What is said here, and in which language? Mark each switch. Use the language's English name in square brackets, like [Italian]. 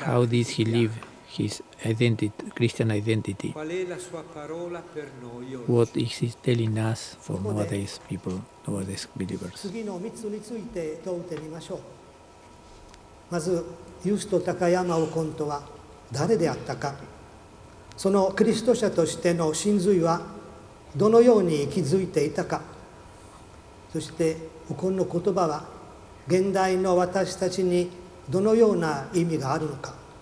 [English] How did he live his identity, Christian identity? [Italian] Qual è la sua parola per noi oggi? [English] What is he telling us for nowadays people, nowadays believers? [Japanese] 次の3つについて問うてみましょう。まず、Justus Takayama Ukon とは誰であったか。そのキリスト者としての真髄はどのように息づいていたか。そしてウコンの言葉は現代の私たちにどのような意味があるのか。